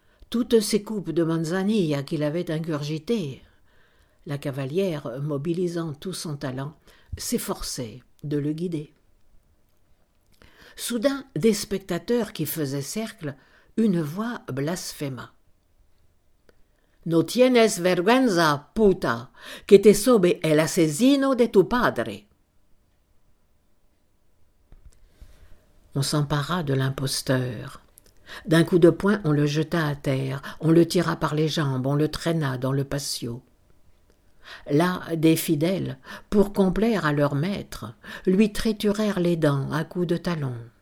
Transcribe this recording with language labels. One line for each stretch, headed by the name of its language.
French: Toutes ces coupes de manzanilla qu'il avait ingurgitées, la cavalière, mobilisant tout son talent, s'efforçait de le guider. Soudain, des spectateurs qui faisaient cercle, une voix blasphéma.
Spanish: No tienes vergüenza, puta, que te sobe el asesino de tu padre.
French: On s'empara de l'imposteur. D'un coup de poing, on le jeta à terre, on le tira par les jambes, on le traîna dans le patio. Là, des fidèles, pour complaire à leur maître, lui triturèrent les dents à coups de talon.